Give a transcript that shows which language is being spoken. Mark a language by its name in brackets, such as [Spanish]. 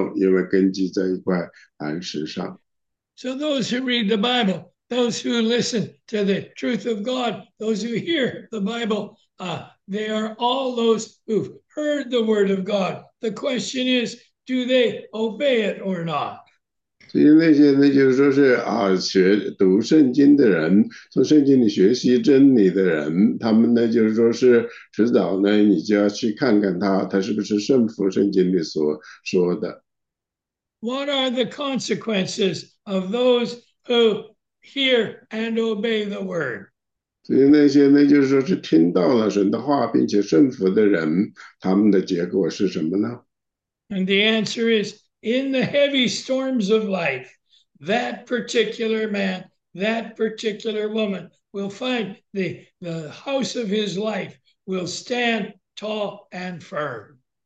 [Chinese] 第47节就是说呢，凡到我这里来听见我的话就去行的，我要告诉你们他像什么人，他像一个盖房子的，深深的挖地，把根基安在一块磐石上，到发大水的时候，水猛冲那房子，房总不能摇动，因为根基在一块磐石上。 [English] So those who read the Bible, those who listen to the truth of God, those who hear the Bible, they are all those who've heard the word of God. The question is, do they obey it or not? [Chinese] 所以那些呢，就是说是啊，读圣经的人，从圣经里学习真理的人，他们呢，就是说是迟早呢，你就要去看看他，他是不是顺服圣经里所说的。 [English] What are the consequences of those who hear and obey the word? [Chinese] 所以那些呢，就是说是听到了神的话，并且顺服的人，他们的结果是什么呢？ [English] And the answer is, in the heavy storms of life, that particular man, that particular woman will find the house of his life will stand tall and firm.